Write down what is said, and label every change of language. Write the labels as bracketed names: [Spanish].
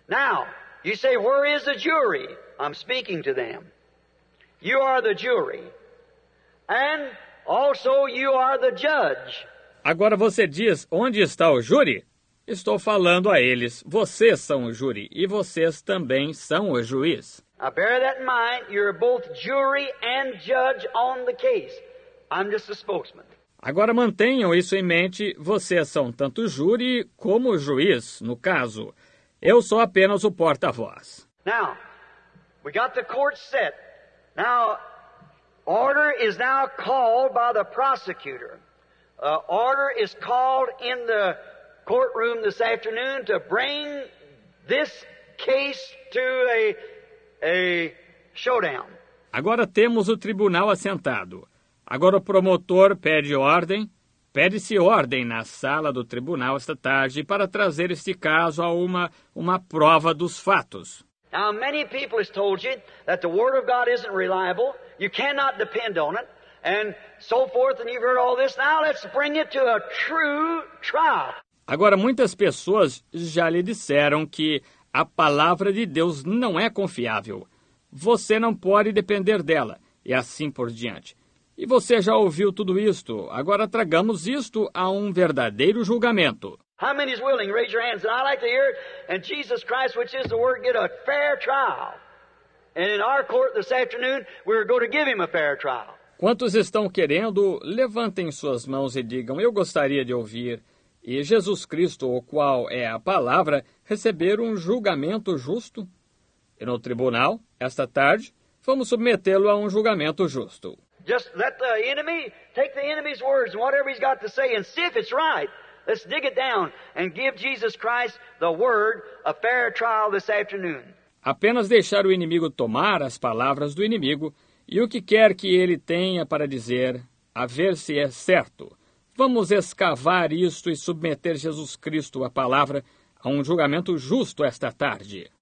[English] Now, you say, where is the jury? I'm speaking to them. You are the jury. And also you are the judge. [Portuguese] Agora você diz, onde está o júri? Estou falando a eles, vocês são o júri e vocês também são o juiz. [English] Now bear that in mind, you're both jury and judge on the case. I'm just a spokesman. [Portuguese] Agora mantenham isso em mente, vocês são tanto júri como juiz, no caso. Eu sou apenas o porta-voz. [English] Now, we got the court set. Now, order is now called by the prosecutor. Order is called in the courtroom this afternoon to bring this case to a showdown. [Portuguese] Agora temos o tribunal assentado. Agora o promotor pede ordem, pede-se ordem na sala do tribunal esta tarde para trazer este caso a uma prova dos fatos. [English] Now, many people have told you that the word of God isn't reliable, you cannot depend on it, and so forth, and you've heard all this. Now let's bring it to a true trial. [Portuguese] Agora, muitas pessoas já lhe disseram que a palavra de Deus não é confiável. Você não pode depender dela, e assim por diante. E você já ouviu tudo isto. Agora tragamos isto a um verdadeiro julgamento. [English] How many is willing? Raise your hands. And I like to hear it. And Jesus Christ, which is the word, get a fair trial. And in our court this afternoon, we're going to give him a fair trial. [Portuguese] Quantos estão querendo? Levantem suas mãos e digam, eu gostaria de ouvir. E Jesus Cristo, o qual é a palavra, receber um julgamento justo? E no tribunal, esta tarde, vamos submetê-lo a um julgamento justo. [English] Just let the enemy take the enemy's words and whatever he's got to say and see if it's right. Let's dig it down and give Jesus Christ the word a fair trial this afternoon. [Portuguese] Apenas deixar o inimigo tomar as palavras do inimigo e o que quer que ele tenha para dizer, a ver se é certo. Vamos escavar isto e submeter Jesus Cristo, a palavra, a um julgamento justo esta tarde.